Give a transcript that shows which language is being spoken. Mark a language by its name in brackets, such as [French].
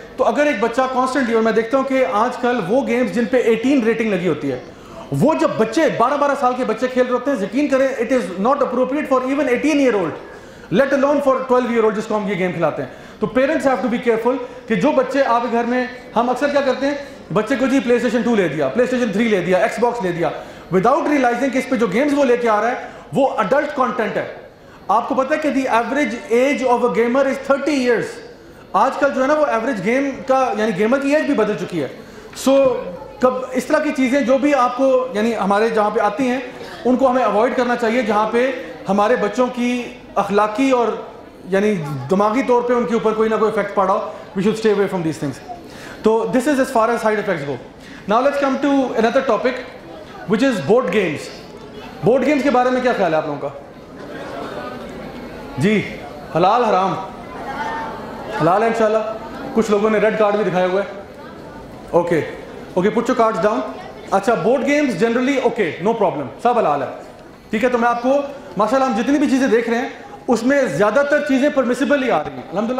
[Urdu] تو اگر ایک بچہ کانسٹنٹلی, اور میں دیکھتا ہوں کہ آج کل وہ گیمز جن پہ 18 ریٹنگ لگی ہوتی ہے, وہ جب بچے 12-12 سال کے بچے کھیل رہے ہوتے ہیں, یقین کریں [English] it is not appropriate for even 18 year old, [Urdu] let alone for 12 year old, جس کو ہم یہ گیم کھلاتے ہیں. تو [English] parents have to be careful [Urdu] کہ جو بچے آپ کے گھر میں, ہم اکثر کیا کرتے ہیں, بچے کو جی پلے اسٹیشن 2 لے دیا, پلے اسٹیشن 3 لے دیا, ایکس باکس لے دیا, [English] without realizing [Urdu] کہ اس پہ جو گیمز وہ لے کے آ رہا ہے وہ adult content ہے. آپ کو پتہ ہے کہ [English] the average age of a gamer is 30 years. [Urdu] آج کل جو ہے نا وہ average game کا یعنی gamer کی age بھی بدل چکی ہے. So کب اس طرح کی چیزیں جو بھی آپ کو یعنی ہمارے جہاں پہ آتی ہیں ان کو ہمیں avoid کرنا چاہیے جہاں پہ ہمارے بچوں کی اخلاقی اور یعنی دماغی طور پہ ان کے اوپر کوئی نہ کوئی افیکٹ پڑا ہو. [English] We should stay away from these things. تو this is as far as side effects go. Now let's come to another topic which is board games. [Urdu] Board games کے بارے میں کیا خیال ہے آپ لوگوں کا؟ جی حلال حرام؟ حلال ہے ان شاء اللہ. کچھ لوگوں نے ریڈ کارڈ بھی دکھایا ہوا ہے. [English] Okay okay put your cards down. [Urdu] اچھا board games generally okay no problem سب حلال ہے. ٹھیک ہے تو میں آپ کو ماشاء اللہ ہم جتنی بھی چیزیں دیکھ رہے ہیں اس میں زیادہ تر چیزیں پرمیسیبل ہی آ رہی ہیں الحمدللہ.